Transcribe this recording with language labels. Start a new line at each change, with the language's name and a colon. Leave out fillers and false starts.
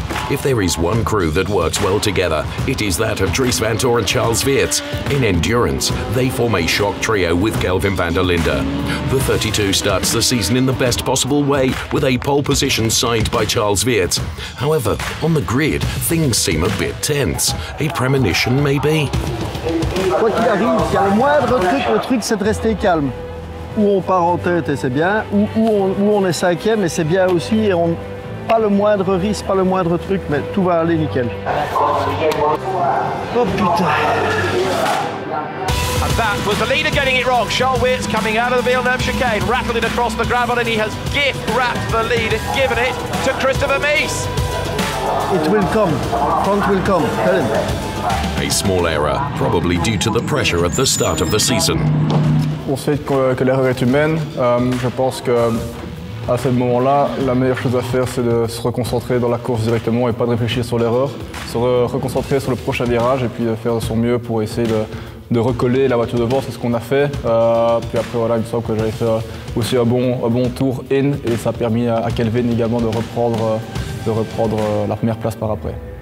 English: If there is one crew that works well together, it is that of Dries Vantor and Charles Wirtz. In endurance, they form a shock trio with Kelvin van der Linde. The 32 starts the season in the best possible way with a pole position signed by Charles Wirtz. However, on the grid, things seem a bit tense. A premonition, maybe?
French: Quoi qu'il arrive, il y a le moindre truc, le truc c'est de rester calme. Où on part en tête et c'est bien, où on est cinquième et c'est bien aussi, et on pas le moindre risque, pas le moindre truc, mais tout va aller nickel. Oh putain!
English: And that was the leader getting it wrong. Charles Wirtz coming out of the Villeneuve chicane, rattling across the gravel, and he has gift-wrapped the lead and given it to Christopher Meese. It will come. Front will come. Tell him. A small error, probably due to the pressure at the start of the season.
French: On sait que l'erreur est humaine. Je pense qu'à ce moment-là, la meilleure chose à faire, c'est de se reconcentrer dans la course directement et pas de réfléchir sur l'erreur. Se reconcentrer sur le prochain virage et puis faire de son mieux pour essayer de recoller la voiture devant. C'est ce qu'on a fait. Puis après, voilà, il me semble que j'avais fait aussi un bon tour in et ça a permis à Kelvin également de reprendre la première place par après.